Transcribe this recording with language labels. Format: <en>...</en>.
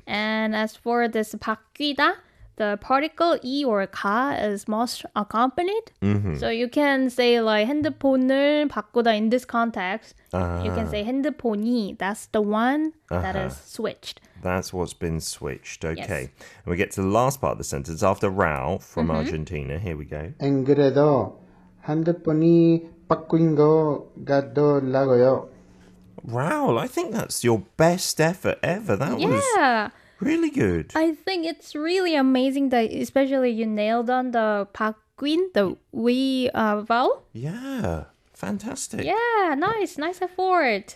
<en>And as for this 바뀌다, the particle 이 or 가 is most accompanied. Mm-hmm. So you can say like</en> <ko>핸드폰을 바꾸다</ko> <en>in this context. You can say 핸드폰이, that's the one that is switched. That's what's been switched. Okay. Yes. And we get to the last part of the sentence after Rao from Argentina. Here we go.</en> <ko>안 그래도 핸드폰이 바꾼 거 같더라고요.</ko> <en>Rao, I think that's your best effort ever. That was really good. I think it's really amazing that especially you nailed on the 바꾼, the we vowel. Yeah. Fantastic. Yeah, nice. Nice effort.</en>